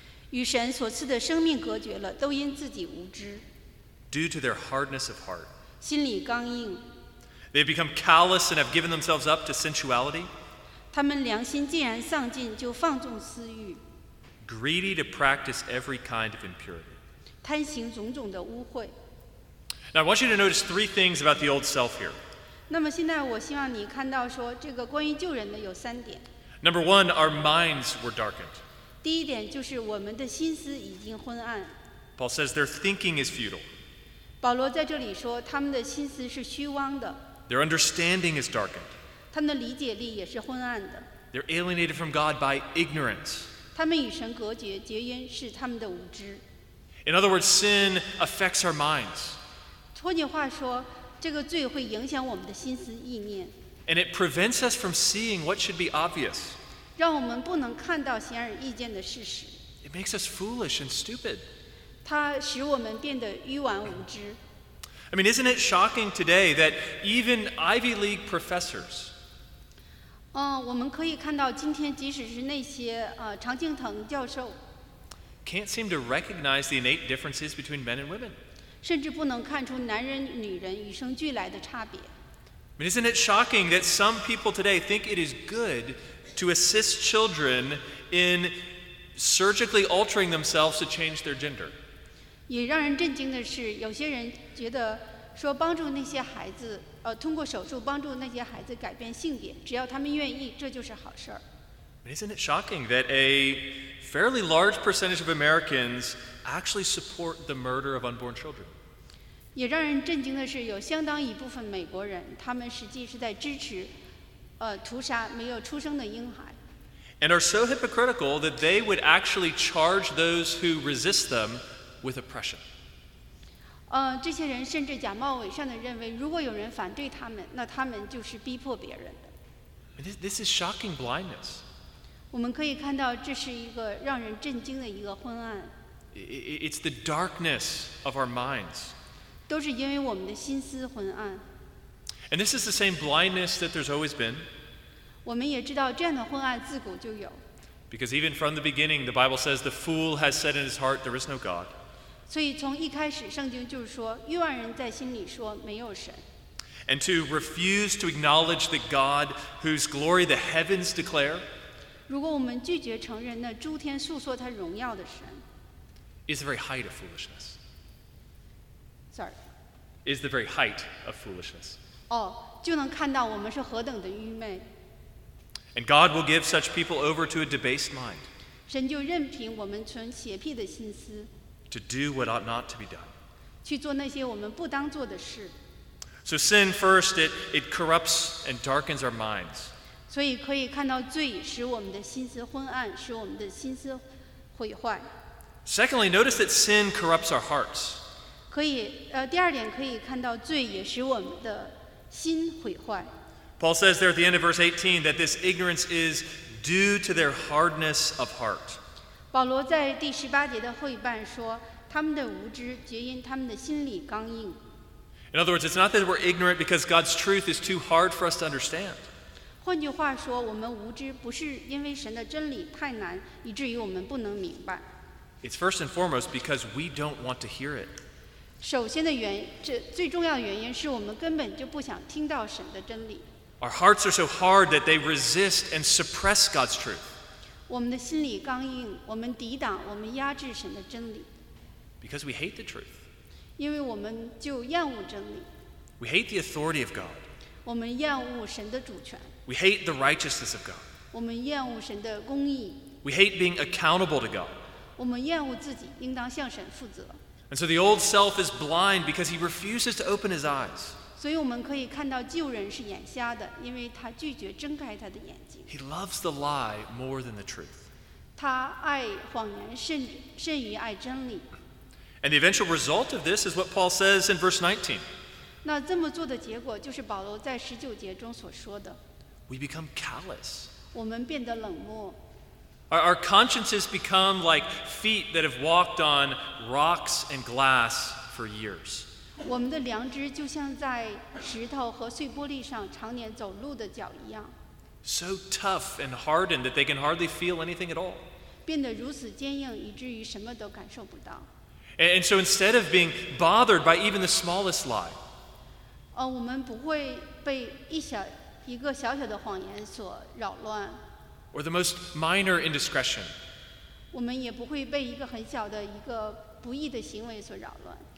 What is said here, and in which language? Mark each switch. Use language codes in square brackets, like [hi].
[zh] 与神所赐的生命隔绝了，都因自己无知。 [en] Due to their hardness of heart. [zh] 心里刚硬。 [en] They have become callous and have given themselves up to sensuality. [zh] 他们良心竟然丧尽，就放纵私欲。 [en] Greedy to practice every kind of impurity. [zh] 贪行种种的污秽。 [en] Now I want you to notice three things about the old self here. [zh] 那么现在我希望你看到说这个关于旧人的有三点。 [en] Number one, our minds were darkened. [zh] 第一点就是我们的心思已经昏暗。 [en] Paul says their thinking is futile. [zh] 保罗在这里说他们的心思是虚妄的。 [en] Their understanding is darkened. [zh] 他们的理解力也是昏暗的。 [en] They're alienated from God by ignorance. [zh] 他们与神隔绝，皆因是他们的无知。 [en] In other words, sin affects our minds. [zh] 换句话说，这个罪会影响我们的心思意念。 [en] And it prevents us from seeing what should be obvious. [zh] 让我们不能看到显而易见的事实。 [en] It makes us foolish and stupid. [zh] 它使我们变得愚顽无知。 [en] I mean, isn't it shocking today that even Ivy League professors? [zh] 我们可以看到今天，即使是那些常青藤教授 [en] ，can't seem to recognize the innate differences between men and women. [zh] 甚至不能看出男人女人与生俱来的差别。 [en] I mean, isn't it shocking that some people today think it is good to assist children in surgically altering themselves to change their gender. [zh] 也让人震惊的是，有些人觉得说帮助那些孩子，通过手术帮助那些孩子改变性别，只要他们愿意，这就是好事儿。 [en] Isn't it shocking that a fairly large percentage of Americans actually support the murder of unborn children? [zh] 也让人震惊的是，有相当一部分美国人，他们实际是在支持，屠杀没有出生的婴孩。 [en] And are so hypocritical that they would actually charge those who resist them with oppression. [zh] 这些人甚至假冒伪善地认为，如果有人反对他们，那他们就是逼迫别人的。 [en] This is shocking blindness. [zh] 我们可以看到，这是一个让人震惊的一个昏暗。 [en] It's the darkness of our minds. [zh] 都是因为我们的心思昏暗。 [en] And this is the same blindness that there's always been. [zh] 我们也知道这样的昏暗自古就有。 [en] Because even from the beginning, the Bible says the fool has said in his heart, there is no God. [zh] 所以从一开始圣经就是说欲望人在心里说没有神。 [en] And to refuse to acknowledge the God whose glory the heavens declare, [zh] 如果我们拒绝承认那诸天述说他荣耀的神 [en] is the very height of foolishness. Sorry. Is the very height of foolishness. [zh] 就能看到我们是何等的愚昧。 [en] And God will give such people over to a debased mind. [zh] 神就任凭我们存邪僻的心思。 [en] To do what ought not to be done. [zh] 去做那些我们不当做的事。 [en] So sin first, it corrupts and darkens our minds. [zh] 所以可以看到罪使我们的心思昏暗，使我们的心思毁坏。 [en] Secondly, notice that sin corrupts our hearts. [zh] 可以，第二点可以看到罪也使我们的心毁坏。 [en] Paul says there at the end of verse 18 that this ignorance is due to their hardness of heart. [zh] 保罗在第十八节的后一半说，他们的无知皆因他们的心里刚硬。 [en] In other words, it's not that we're ignorant because God's truth is too hard for us to understand. [zh] 换句话说，我们无知不是因为神的真理太难，以至于我们不能明白。 [en] It's first and foremost because we don't want to hear it. [zh] 首先的原因，这最重要的原因是我们根本就不想听到神的真理。 [en] Our hearts are so hard that they resist and suppress God's truth. [zh] 我们的心里刚硬，我们抵挡，我们压制神的真理。 [en] Because we hate the truth. [zh] 因为我们就厌恶真理。 [en] We hate the authority of God. [zh] 我们厌恶神的主权。 [en] We hate the righteousness of God. [zh] 我们厌恶神的公义。 [en] We hate being accountable to God. [zh] 我们厌恶自己应当向神负责。 [en] And so the old self is blind because he refuses to open his eyes. [zh] 所以我们可以看到旧人是眼瞎的，因为他拒绝睁开他的眼睛。 [en] He loves the lie more than the truth. [zh] 他爱谎言甚于爱真理。 [en] And the eventual result of this is what Paul says in verse 19. [zh] 那这么做的结果就是保罗在十九节中所说的。 [en] We become callous. [zh] 我们变得冷漠。 [en] Our consciences become like feet that have walked on rocks and glass for years. [zh] 我们的良知就像在石头和碎玻璃上常年走路的脚一样。 [en] So tough and hardened that they can hardly feel anything at all. [zh] 变得如此坚硬，以至于什么都感受不到。 [en] And so instead of being bothered by even the smallest lie, [zh] 我们不会被一个小小的谎言所扰乱。 [en] Or the most minor indiscretion. [zh] 我们也不会被一个很小的一个不义的行为所扰乱。